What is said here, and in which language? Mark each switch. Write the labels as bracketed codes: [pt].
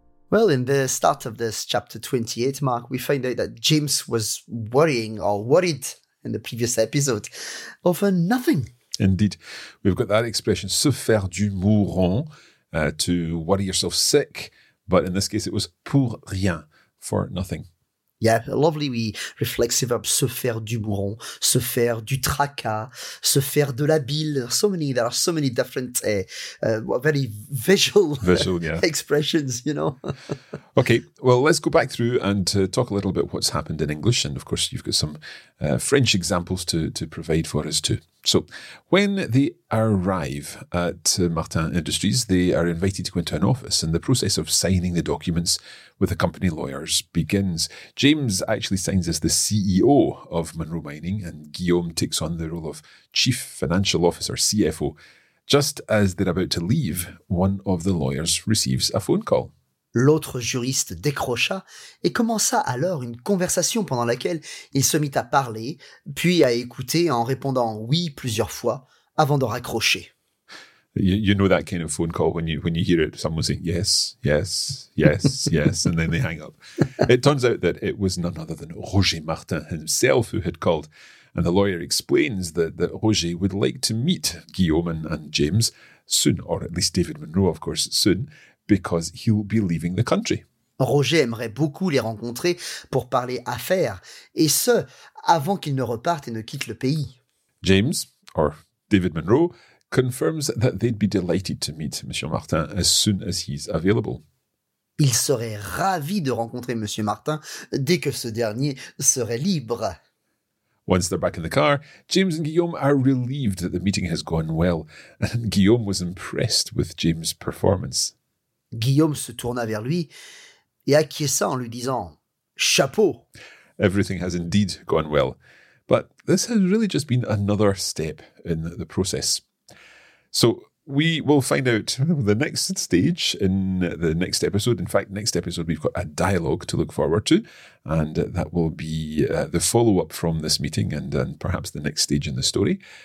[en] Well, in the start of this chapter 28, Mark, we find out that James was worried in the previous episode over nothing. Indeed. We've got that expression, [fr] se faire du mouron, [en] to worry yourself sick. But in this case, it was [fr] pour rien, [en] for nothing. Yeah, lovely wee reflexive verb, [fr] se faire du mouron, se faire du tracas, se faire de la bile. [en] There are so many different, very visual yeah. expressions, you know. Okay, well, let's go back through and talk a little bit what's happened in English. And of course, you've got some French examples to provide for us too. So when they arrive at Martin Industries, they are invited to go into an office and the process of signing the documents with the company lawyers begins. James actually signs as the CEO of Monroe Mining and Guillaume takes on the role of Chief Financial Officer, CFO. Just as they're about to leave, one of the lawyers receives a phone call. [fr] L'autre juriste décrocha et commença alors une conversation pendant laquelle il se mit à parler, puis à écouter en répondant « oui » plusieurs fois avant de raccrocher. [en] You know that kind of phone call when you hear it, someone saying yes, yes, yes, yes, and then they hang up. It turns out that it was none other than Roger Martin himself who had called, and the lawyer explains that Roger would like to meet Guillaume and James soon, or at least David Monroe, of course, soon, because he will be leaving the country. [fr] Roger aimerait beaucoup les rencontrer pour parler affaires, et ce, avant qu'ils ne repartent et ne quittent le pays. [en] James, or David Monroe, confirms that they'd be delighted to meet Monsieur Martin as soon as he's available. [fr] Ils seraient ravis de rencontrer Monsieur Martin dès que ce dernier serait libre. [en] Once they're back in the car, James and Guillaume are relieved that the meeting has gone well, and Guillaume was impressed with James' performance. [fr] Guillaume se tourna vers lui et acquiesça en lui disant « Chapeau !» [en] Everything has indeed gone well, but this has really just been another step in the process. So we will find out the next stage in the next episode. In fact, next episode we've got a dialogue to look forward to, and that will be the follow-up from this meeting and perhaps the next stage in the story.